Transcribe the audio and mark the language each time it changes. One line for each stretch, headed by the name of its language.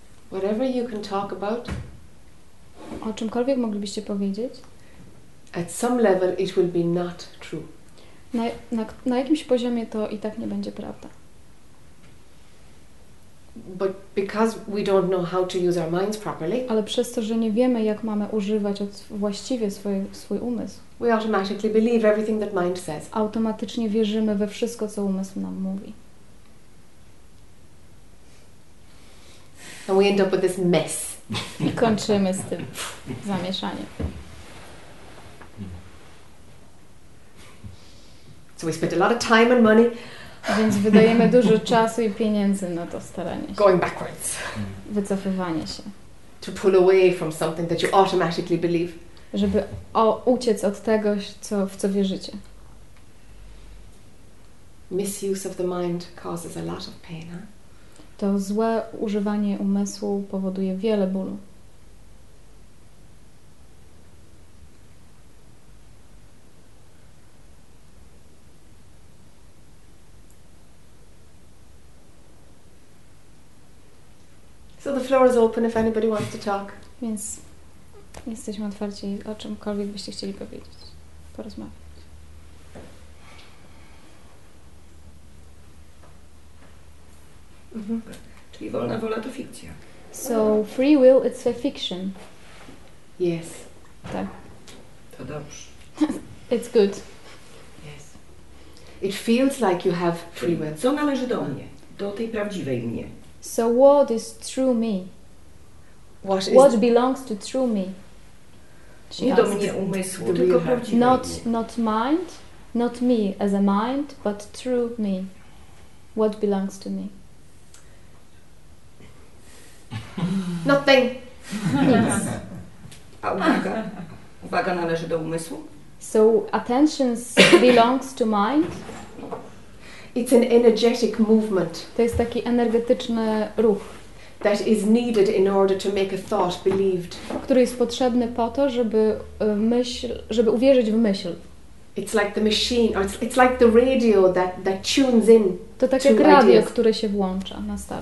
English: Whatever you can talk about.
Polish: O czymkolwiek moglibyście powiedzieć?
English: At some level it will be not true.
Polish: Na jakimś poziomie to i tak nie będzie prawda.
English: But because we don't know how to use our minds properly.
Polish: Ale przez to, że nie wiemy, jak mamy używać właściwie swój umysł.
English: We automatically believe everything that mind says.
Polish: Automatycznie wierzymy we wszystko, co umysł nam mówi.
English: And we end up with this mess.
Polish: I kończymy z tym zamieszaniem.
English: So we spend a lot of time and money.
Polish: Więc wydajemy dużo czasu i pieniędzy na to staranie się.
English: Going backwards.
Polish: Wycofywanie się.
English: To pull away from something that you automatically believe.
Polish: Żeby uciec od tego, w co wierzycie.
English: Misuse of the mind causes a lot of pain, huh?
Polish: To złe używanie umysłu powoduje wiele bólu.
English: So the floor is open if anybody wants to talk.
Polish: Więc jesteśmy otwarci, o czymkolwiek byście chcieli powiedzieć, porozmawiać. Mm-hmm. Czyli wolna wola to fikcja.
English: So free will, it's a fiction. Yes.
Polish: Tak. To dobrze.
English: It's good. Yes. It feels like you have free will.
Polish: Co należy do mnie, do tej prawdziwej mnie?
English: So what is true me? What belongs to true me?
Polish: She nie do mnie umysłu, tylko prawdziwe mnie.
English: Not mind, not me as a mind, but true me. What belongs to me? Nothing.
Polish: Nic. A uwaga należy do umysłu?
English: So attention belongs to mind. It's an energetic movement.
Polish: To jest taki energetyczny ruch.
English: That is needed in order to make a thought believed.
Polish: Który jest potrzebny po to, żeby uwierzyć w myśl.
English: It's like the machine, or it's like the radio that tunes in.
Polish: To tak jak radio, które się włącza na stałe.